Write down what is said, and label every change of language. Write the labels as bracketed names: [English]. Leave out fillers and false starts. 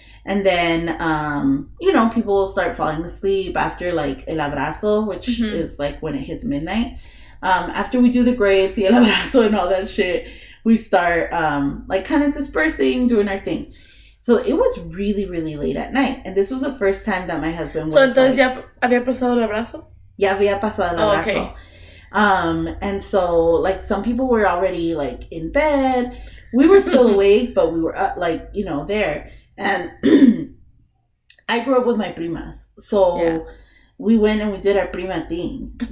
[English] And then, you know, people will start falling asleep after like el abrazo, which is like when it hits midnight. After we do the grapes, the el abrazo and all that shit, we start like kind of dispersing, doing our thing. So it was really, really late at night. And this was the first time that my husband was [Spanish] so entonces ya había pasado el abrazo? Ya había pasado el abrazo. [English] Okay. And so, like, some people were already, like, in bed. We were still awake, but we were, like, you know, there. And I grew up with my primas. So we went and we did our prima thing.